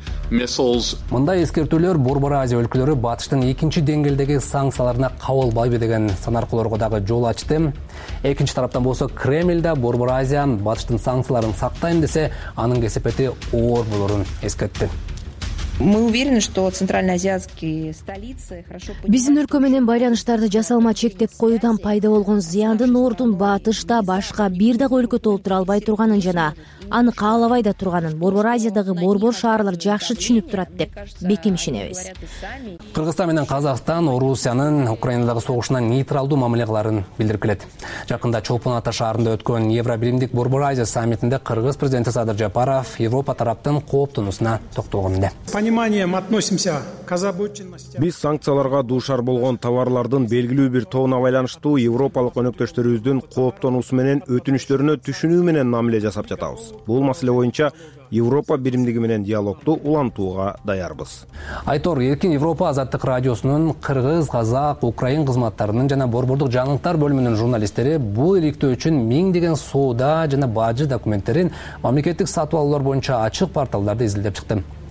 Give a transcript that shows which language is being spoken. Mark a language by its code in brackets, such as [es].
[ky] Мындай эскертүүлөр Борбор Азия өлкөлөрү батыштын экинчи деңгээлдеги санкцияларына кабылбайбы деген санаркылорго дагы жол ачты. Экинчи тараптан болсо, Кремль да Борбор Азия батыштын санкцияларын сактайм десе, анын кесепети оор болорун эскертти. [ru] Мы уверены, что центральноазиатские столицы хорошо понимают. [ky] Биздин өлкө менен байланыштарды жасалма чектеп коюудан пайда болгон зыянды Нордун батышта башка бир дагы өлкө толтура албай турганын жана аны каалабай да турганын Борбор Азиядагы борбор шаарлар жакшы түшүнүп турат деп бекем ишенебиз. Кыргызстан менен Казакстан Орусиянын Украинадагы согушунан нейтралдуу мамилеларын билдирип келет. Жакында Чолпон Ата шаарында өткөн Евробилимдик Борбор Азия саммитинде кыргыз президенти Садыр Жапаров Европа тараптын кооптунусуна токтогон эле. [ru] Пониманием относимся к озабоченности. [ky] Биз санкцияларга дуушар болгон товарлардын белгилүү бир тобуна байланыштуу европалык өнөктөштөрүбүздүн кооптонуусу менен өтүнүчтөрүнө түшүнүү менен мамиле жасап жатабыз. Бул маселе боюнча Европа биримдиги менен диалогду улантууга даярбыз. Айтор Эркин Европа азаттык радиосунун кыргыз, казак, украин кызматтарынын жана борбордук жаңылыктар бөлүмүнүн журналисттери бул иликтөө үчүн миңдеген соода жана бажы документтерин мамлекеттик сатып алуулар боюнча ачык порталдарды изилдеп чыкты.